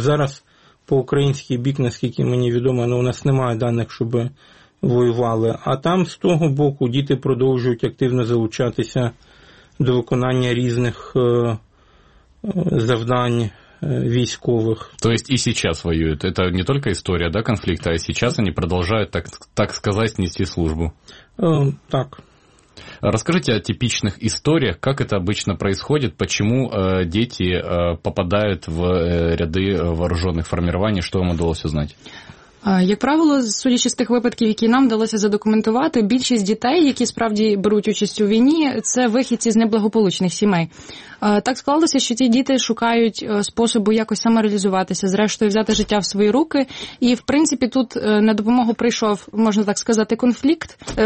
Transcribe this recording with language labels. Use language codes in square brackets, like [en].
[uk] Зараз по українській бік, наскільки мені відомо, ну, у нас немає даних, щоб воювали. А там з того боку діти продовжують активно залучатися до виконання різних завдань військових. [ru] То есть и сейчас воюют. Это не только история, да, конфликта, а сейчас они продолжают, так сказать, нести службу. Так. Расскажите о типичных историях, как это обычно происходит, почему дети попадают в ряды вооруженных формирований, что вам удалось узнать? [uk] Як правило, судячи з тих випадків, які нам вдалося задокументувати, більшість дітей, які справді беруть участь у війні, це вихідці з неблагополучних сімей. Так склалося, що ті діти шукають способу якось самореалізуватися, зрештою взяти життя в свої руки. І, в принципі, тут на допомогу прийшов, можна так сказати, конфлікт.